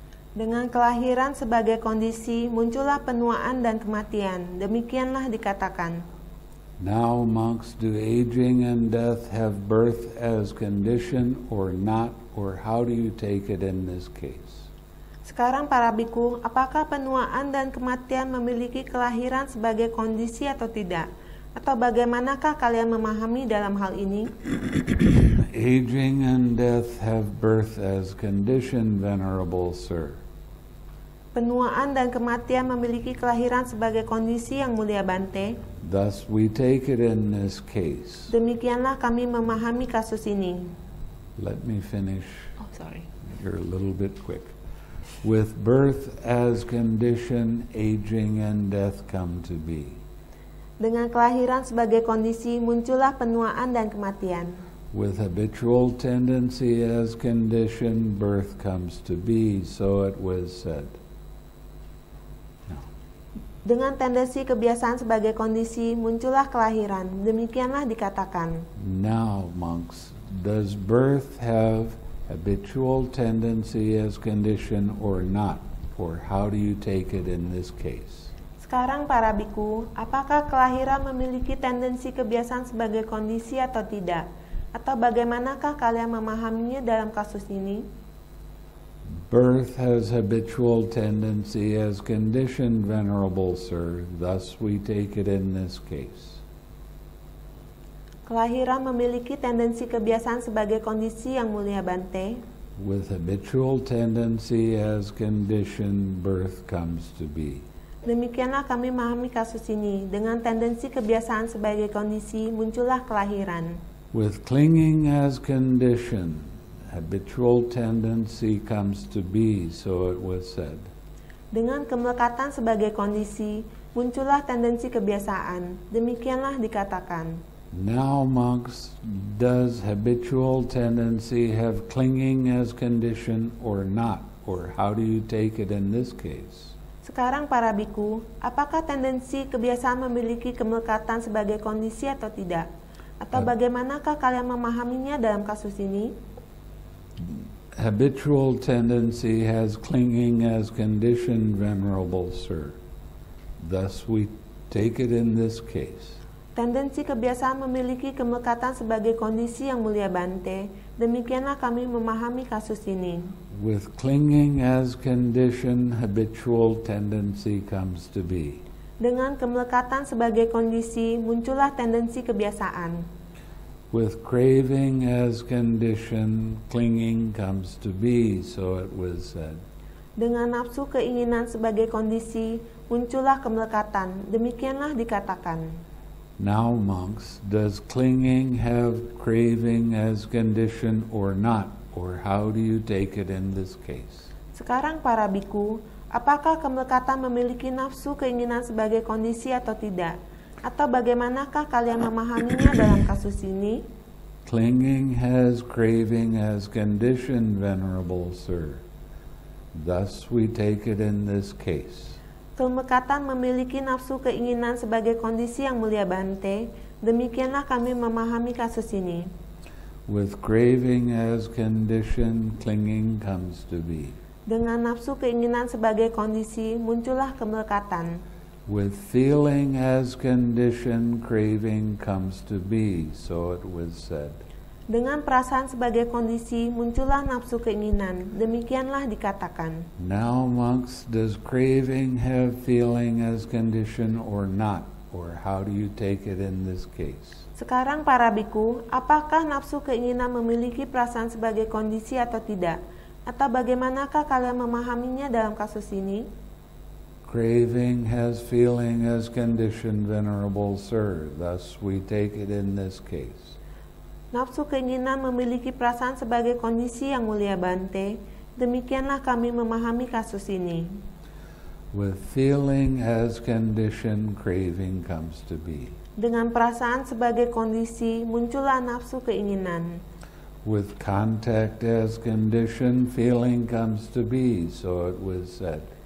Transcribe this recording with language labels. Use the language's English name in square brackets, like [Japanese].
[Indonesian] Dengan kelahiran sebagai kondisi, muncullah penuaan dan kematian. Demikianlah dikatakan. [English] Now, monks, do aging and death have birth as condition or not, or how do you take it in this case? [Indonesian] Sekarang para bhikkhu, apakah penuaan dan kematian memiliki kelahiran sebagai kondisi atau tidak? Atau bagaimanakah kalian memahami dalam hal ini? [English] Aging and death have birth as condition, venerable sir. [Indonesian] Penuaan dan kematian memiliki kelahiran sebagai kondisi yang mulia Bante. [English] Thus we take it in this case. [Indonesian] Demikianlah kami memahami kasus ini. [English] Let me finish. Oh, sorry. You're a little bit quick. With birth as condition, aging and death come to be. [Indonesian] Dengan kelahiran sebagai kondisi, muncullah penuaan dan kematian. [English] With habitual tendency as condition, birth comes to be, so it was said. [Indonesian] No. Dengan tendensi kebiasaan sebagai kondisi, muncullah kelahiran, demikianlah dikatakan. [English] Now, monks, does birth have habitual tendency as condition or not? Or how do you take it in this case? [Indonesian] Sekarang para bhikkhu, apakah kelahiran memiliki tendensi kebiasaan sebagai kondisi atau tidak? Atau bagaimanakah kalian memahaminya dalam kasus ini? [English] Birth has habitual tendency as condition, venerable sir. Thus we take it in this case. [Indonesian] Kelahiran memiliki tendensi kebiasaan sebagai kondisi yang mulia Bante. [English] With habitual tendency as condition, birth comes to be. [Indonesian] Demikianlah kami memahami kasus ini. Dengan tendensi kebiasaan sebagai kondisi, muncullah kelahiran. [English] With clinging as condition, habitual tendency comes to be, so it was said. [Indonesian] Dengan kemelekatan sebagai kondisi, muncullah tendensi kebiasaan. Demikianlah dikatakan. [English] Now, monks, does habitual tendency have clinging as condition or not? Or how do you take it in this case? [Indonesian] Sekarang para bhikkhu, apakah tendensi kebiasaan memiliki kemelekatan sebagai kondisi atau tidak? Atau bagaimanakah kalian memahaminya dalam kasus ini? [English] Habitual tendency has clinging as condition, venerable sir. Thus we take it in this case. [Indonesian] Tendensi kebiasaan memiliki kemelekatan sebagai kondisi yang mulia Bante. Demikianlah kami memahami kasus ini. [English] With clinging as condition, habitual tendency comes to be. [Indonesian] Dengan kemelekatan sebagai kondisi, muncullah tendensi kebiasaan. [English] With craving as condition, clinging comes to be, so it was said. [Indonesian] Dengan nafsu keinginan sebagai kondisi, muncullah kemelekatan. Demikianlah dikatakan. [English] Now, monks, does clinging have craving as condition or not? Or how do you take it in this case? [Indonesian] Sekarang para bhikkhu, apakah kemelekatan memiliki nafsu keinginan sebagai kondisi atau tidak? Atau bagaimanakah kalian memahaminya dalam kasus ini? [English] Clinging has craving as condition, venerable sir. Thus we take it in this case. [Indonesian] Kemelekatan memiliki nafsu keinginan sebagai kondisi yang mulia Bante. Demikianlah kami memahami kasus ini. [English] With craving as condition, clinging comes to be. [Indonesian] Dengan nafsu keinginan sebagai kondisi, muncullah kemelekatan. [English] With feeling as condition, craving comes to be, so it was said. [Indonesian] Dengan perasaan sebagai kondisi, muncullah nafsu keinginan. Demikianlah dikatakan. [English] Now, monks, does craving have feeling as condition or not? Or how do you take it in this case? [Indonesian] Sekarang para bhikkhu, apakah nafsu keinginan memiliki perasaan sebagai kondisi atau tidak? Atau bagaimanakah kalian memahaminya dalam kasus ini? [English] Craving has feeling as condition, venerable sir. Thus we take it in this case. [Indonesian] Nafsu keinginan memiliki perasaan sebagai kondisi yang mulia Bante. Demikianlah kami memahami kasus ini. [English] With feeling as condition, craving comes to be. [Indonesian] Dengan perasaan sebagai kondisi, muncullah nafsu keinginan. [English] With contact as condition, feeling comes to be, so it was said.